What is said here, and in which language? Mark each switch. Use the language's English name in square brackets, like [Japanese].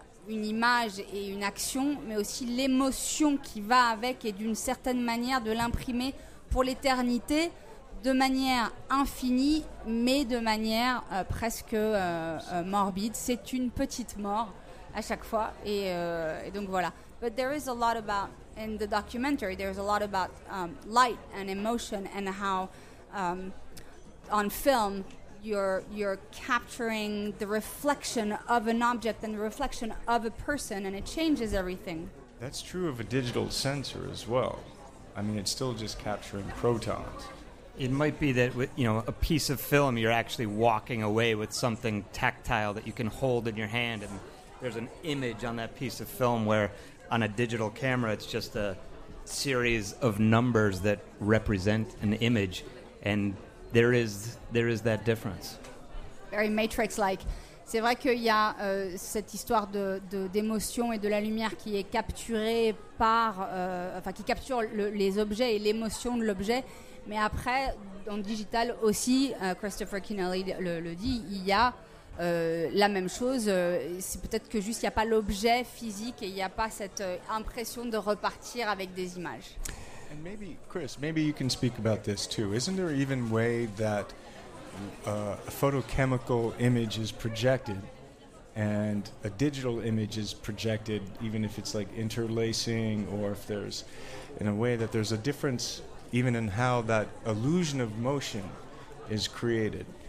[French] une image et une action, mais aussi l'émotion qui va avec, et d'une certaine manière de l'imprimer pour l'éternité, de manière infinie, mais de manière presque morbide. C'est une petite mort à chaque fois, et donc voilà. [English] But there is a lot about, in the documentary, there is a lot about light and emotion and how on film you're capturing the reflection of an object and the reflection of a person, and it changes everything. That's true of a digital sensor as well. I mean, it's still just capturing protons. It might be that, you know, a piece of film, you're actually walking away with something tactile that you can hold in your hand, and there's an image on that piece of film, where on a digital camera, it's just a series of numbers that represent an image, and there is that difference. Very Matrix-like. [French] C'est vrai qu'il y a cette histoire de d'émotion et de la lumière qui est capturée par, enfin, qui capture les objets et l'émotion de l'objet. Mais après, dans le digital aussi, Christopher Kinnelly le dit, il y a la même chose. C'est peut-être que juste il n'y a pas l'objet physique, et il n'y a pas cette impression de repartir avec des images. [English] And maybe, Chris, maybe you can speak about this too. Isn't there even a way that a photochemical image is projected and a digital image is projected, even if it's like interlacing, or if there's in a way that there's a difference even in how that illusion of motion is created?